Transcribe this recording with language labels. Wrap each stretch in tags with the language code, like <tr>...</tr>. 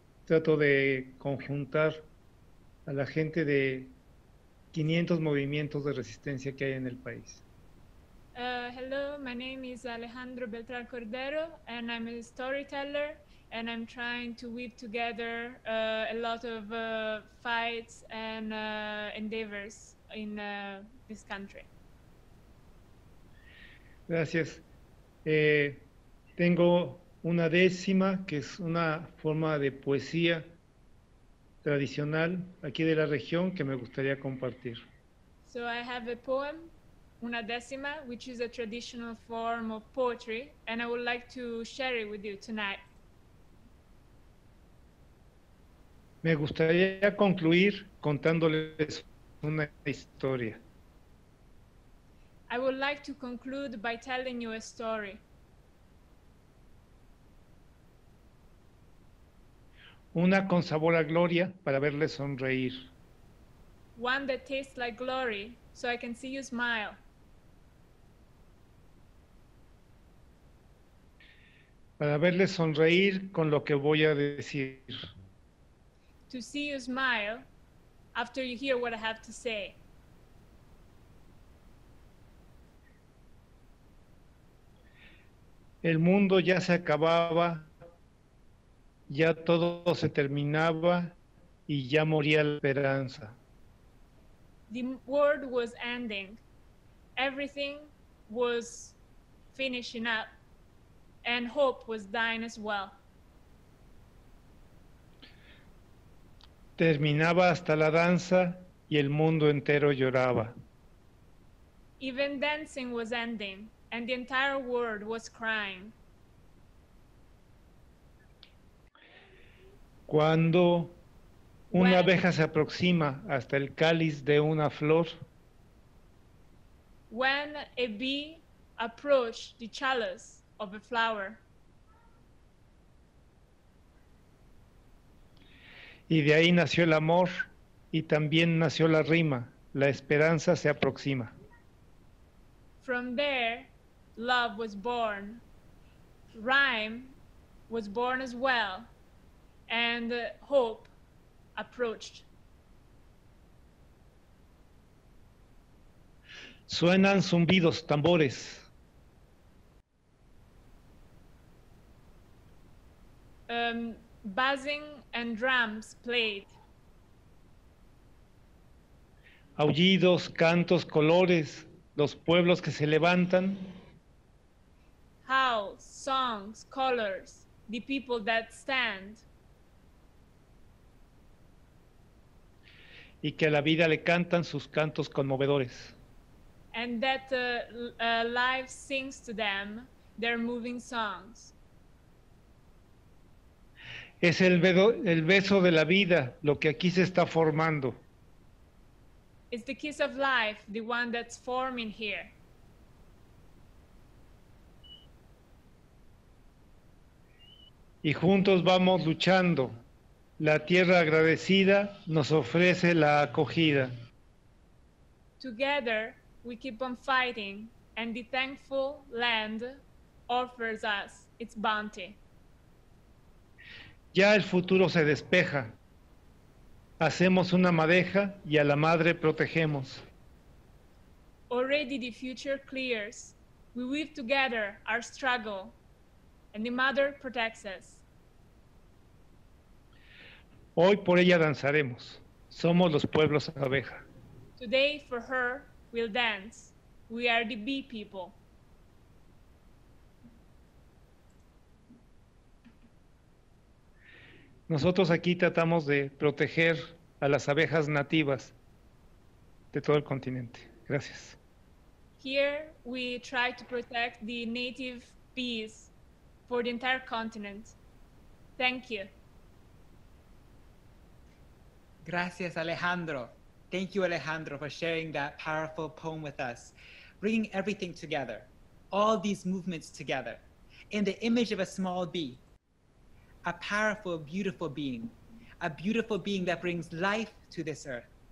<es>Trato de conjuntar a la gente de 500 movimientos de resistencia que hay en el país.</es> <en>Hello, my name is Alejandro Beltrán Cordero, and I'm a storyteller, and I'm trying to weave together a lot of fights and endeavors in this country.</en> <es>Gracias. Tengo una décima, que es una forma de poesía tradicional aquí de la región que me gustaría compartir.</es> <en>So I have a poem, una décima, which is a traditional form of poetry, and I would like to share it with you tonight.</en> <es>Me gustaría concluir contándoles una historia.</es> <en>I would like to conclude by telling you a story.</en> <es>Una con sabor a gloria para verle sonreír.</es> <en>One that tastes like glory, so I can see you smile.</en> <es>Para verle sonreír con lo que voy a decir.</es> <en>To see you smile after you hear what I have to say.</en> <es>el mundo ya se acababa, ya todo se terminaba y ya moría la esperanza.</es> <en>The world was ending. Everything was finishing up and hope was dying as well.</en> <es>Terminaba hasta la danza y el mundo entero lloraba.</es> <en>Even dancing was ending and the entire world was crying.</en> <es>Cuando una abeja se aproxima hasta el cáliz de una flor.</es> <en>When a bee approached the chalice of a flower.</en> <es>Y de ahí nació el amor y también nació la rima. La esperanza se aproxima.</es> <en>From there, love was born. Rhyme was born as well. And hope approached.</en> <es>Suenan zumbidos, tambores.</es> <en>Buzzing and drums played.</en> <es>Aullidos, cantos, colores, los pueblos que se levantan.</es> <en>Howls, songs, colors, the people that stand.</en> <es>Y que a la vida le cantan sus cantos conmovedores.</es> <en>And that life sings to them their moving songs.</en> <es>Es el beso de la vida lo que aquí se está formando.</es> <en>It's the kiss of life, the one that's forming here.</en> <es>Y juntos vamos luchando. La tierra agradecida nos ofrece la acogida.</es> <en>Together we keep on fighting and the thankful land offers us its bounty.</en> <es>Ya el futuro se despeja. Hacemos una madeja y a la madre protegemos.</es> <en>Already the future clears. We weave together our struggle and the mother protects us.</en> <es>Hoy por ella danzaremos. Somos los pueblos abeja.</es> <en>Today for her we'll dance. We are the bee people.</en> <es>Nosotros aquí tratamos de proteger a las abejas nativas de todo el continente. Gracias.</es> <en>Here we try to protect the native bees for the entire continent. Thank you.</en> <es>Gracias, Alejandro.</es> <en>Thank you, Alejandro, for sharing that powerful poem with us, bringing everything together, all these movements together, in the image of a small bee, a powerful, beautiful being, a beautiful being that brings life to this earth.</en>